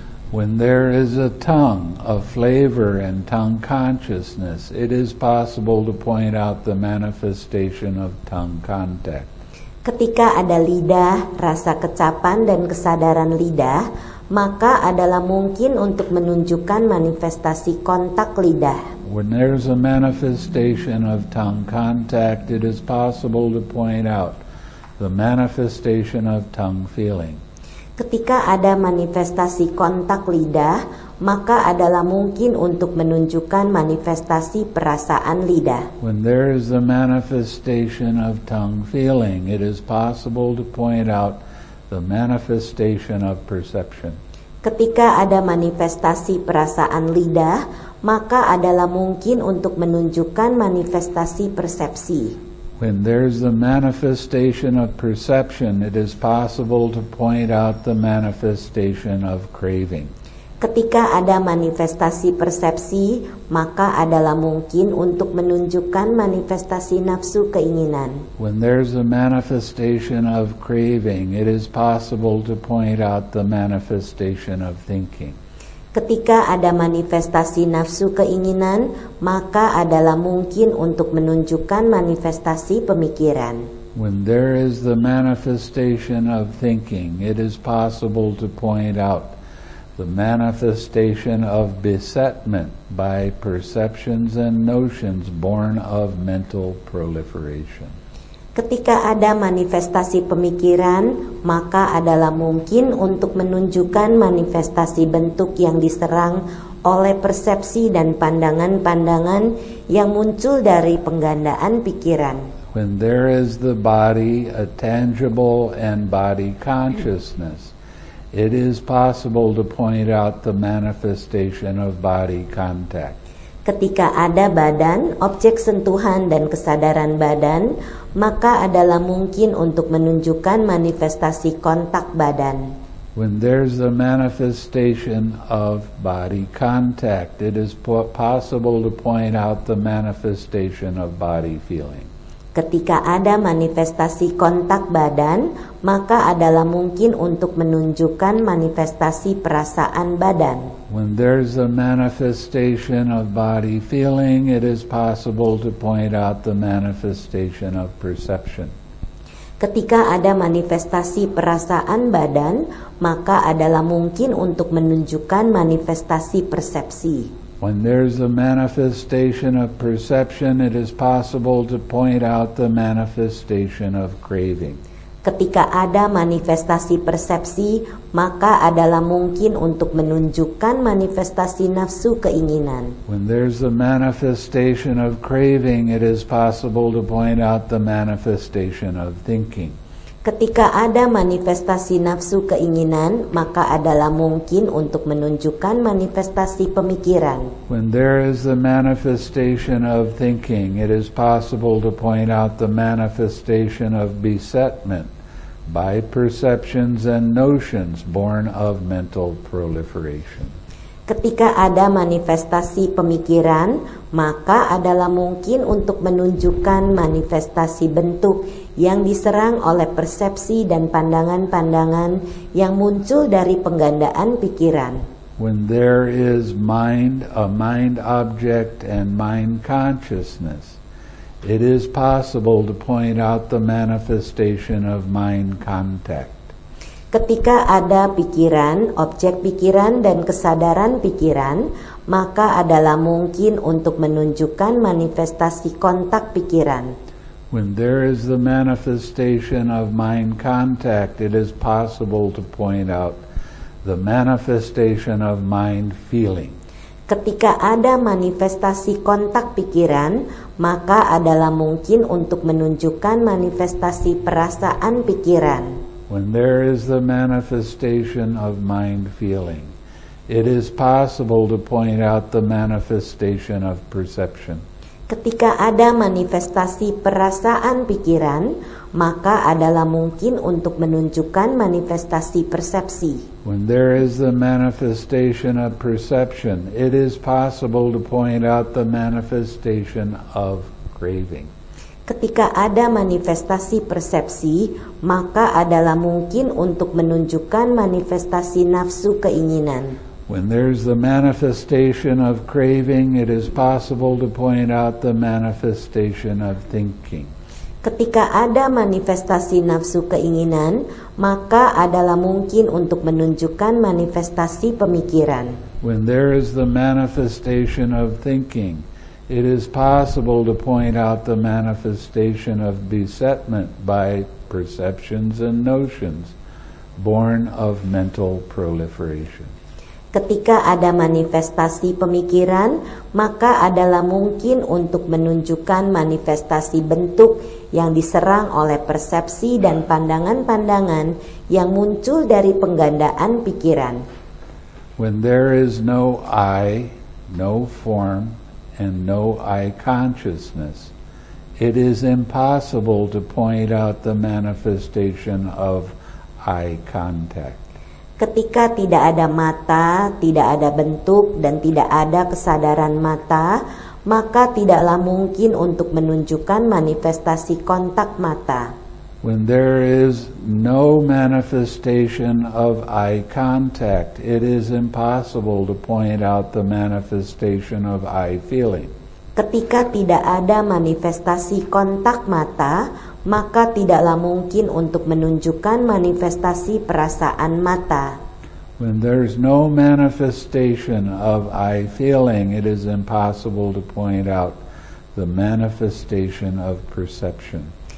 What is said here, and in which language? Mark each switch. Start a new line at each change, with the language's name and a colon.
English: When there is a tongue, a flavor, and tongue consciousness, it is possible to point out the manifestation of tongue contact.
Indonesian: Ketika ada lidah, rasa kecapan, dan kesadaran lidah, maka adalah mungkin untuk menunjukkan manifestasi kontak lidah.
English: When there is a manifestation of tongue contact, it is possible to point out the manifestation of tongue feeling.
Indonesian: Ketika ada manifestasi kontak lidah, maka adalah mungkin untuk menunjukkan manifestasi perasaan lidah.
English: When there is the manifestation of tongue feeling, it is possible to point out the manifestation of perception.
Indonesian: Ketika ada manifestasi perasaan lidah, maka adalah mungkin untuk menunjukkan manifestasi persepsi.
English: When there's the manifestation of perception, it is possible to point out the manifestation of craving.
Indonesian: Ketika ada manifestasi persepsi, maka adalah mungkin untuk menunjukkan manifestasi nafsu keinginan.
English: When there's a manifestation of craving, it is possible to point out the manifestation of thinking.
Indonesian: Ketika ada manifestasi nafsu keinginan, maka adalah mungkin untuk menunjukkan manifestasi pemikiran.
English: When there is the manifestation of thinking, it is possible to point out the manifestation of besetment by perceptions and notions born of mental proliferation.
Indonesian: Ketika ada manifestasi pemikiran, maka adalah mungkin untuk menunjukkan manifestasi bentuk yang diserang oleh persepsi dan pandangan-pandangan yang muncul dari penggandaan pikiran.
English: When there is the body, a tangible and body consciousness, it is possible to point out the manifestation of body contact.
Indonesian: Ketika ada badan, objek sentuhan, dan kesadaran badan, maka adalah mungkin untuk menunjukkan manifestasi kontak badan.
English: When there's the manifestation of body contact, it is possible to point out the manifestation of body feeling.
Indonesian: Ketika ada manifestasi kontak badan, maka adalah mungkin untuk menunjukkan manifestasi perasaan badan.
English: When there's a manifestation of body feeling, it is possible to point out the manifestation of perception.
Indonesian: Ketika ada manifestasi perasaan badan, maka adalah mungkin untuk menunjukkan manifestasi persepsi.
English: When there's a manifestation of perception, it is possible to point out the manifestation of craving.
Indonesian: Ketika ada manifestasi persepsi, maka adalah mungkin untuk menunjukkan manifestasi nafsu keinginan.
English: When there's a manifestation of craving, it is possible to point out the manifestation of thinking.
Indonesian: Ketika ada manifestasi nafsu keinginan, maka adalah mungkin untuk menunjukkan manifestasi pemikiran.
English: When there is a manifestation of thinking, it is possible to point out the manifestation of besetment by perceptions and notions born of mental proliferation.
Indonesian: Ketika ada manifestasi pemikiran, maka adalah mungkin untuk menunjukkan manifestasi bentuk yang diserang oleh persepsi dan pandangan-pandangan yang muncul dari penggandaan pikiran.
English: When there is mind, a mind object and mind consciousness, it is possible to point out the manifestation of mind contact.
Indonesian: Ketika ada pikiran, objek pikiran, dan kesadaran pikiran, maka adalah mungkin untuk menunjukkan manifestasi kontak pikiran.
English: When there is the manifestation of mind contact, it is possible to point out the manifestation of mind feeling.
Indonesian: Ketika ada manifestasi kontak pikiran, maka adalah mungkin untuk menunjukkan manifestasi perasaan pikiran.
English: When there is the manifestation of mind feeling, it is possible to point out the manifestation of perception.
Indonesian: Ketika ada manifestasi perasaan pikiran, maka adalah mungkin untuk menunjukkan manifestasi persepsi.
English: When there is the manifestation of perception, it is possible to point out the manifestation of craving.
Indonesian: Ketika ada manifestasi persepsi, maka adalah mungkin untuk menunjukkan manifestasi nafsu keinginan.
English: When there's the manifestation of craving, it is possible to point out the manifestation of thinking.
Indonesian: Ketika ada manifestasi nafsu keinginan, maka adalah mungkin untuk menunjukkan manifestasi pemikiran.
English: When there is the manifestation of thinking, it is possible to point out the manifestation of besetment by perceptions and notions born of mental proliferation.
Indonesian: Ketika ada manifestasi pemikiran, maka adalah mungkin untuk menunjukkan manifestasi bentuk yang diserang oleh persepsi dan pandangan-pandangan yang muncul dari penggandaan pikiran.
English: When there is no I, no form, and no eye consciousness, it is impossible to point out the manifestation of eye contact.
Indonesian: Ketika tidak ada mata, tidak ada bentuk, dan tidak ada kesadaran mata, maka tidaklah mungkin untuk menunjukkan manifestasi kontak mata.
English: When there is no manifestation of eye contact, it is impossible to point out the manifestation of eye feeling.
Indonesian: Ketika tidak ada manifestasi kontak mata, maka tidaklah mungkin untuk menunjukkan manifestasi perasaan mata.
English: When there is no manifestation of eye feeling, it is impossible to point out the manifestation of perception.